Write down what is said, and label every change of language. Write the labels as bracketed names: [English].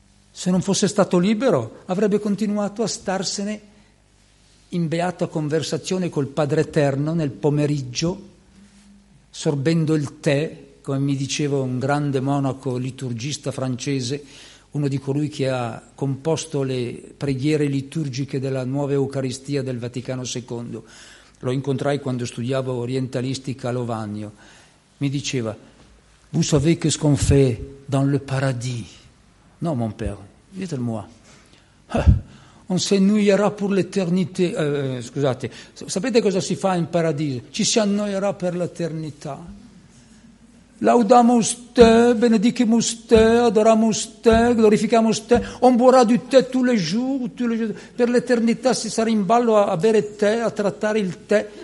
[Italian] Se non fosse stato libero, avrebbe continuato a starsene in beata conversazione col Padre Eterno nel pomeriggio, sorbendo il tè, come mi diceva un grande monaco liturgista francese, uno di colui che ha composto le preghiere liturgiche della nuova Eucaristia del Vaticano II. Lo incontrai quando studiavo orientalistica a Lovagno. Mi diceva: [French] «Vous savez que ce qu'on fait dans le paradis?» «No, mon père, dites-moi.» «On s'ennuiera pour l'éternité.» [Italian] Scusate, sapete cosa si fa in paradiso? «Ci si annoierà per l'eternità.» [Latin] «Laudamus te, benedicimus te, adoramus te, glorificamus te, [French] on boira du te tous les jours, [Italian] per l'eternità si sarà in ballo a bere tè, a trattare il tè».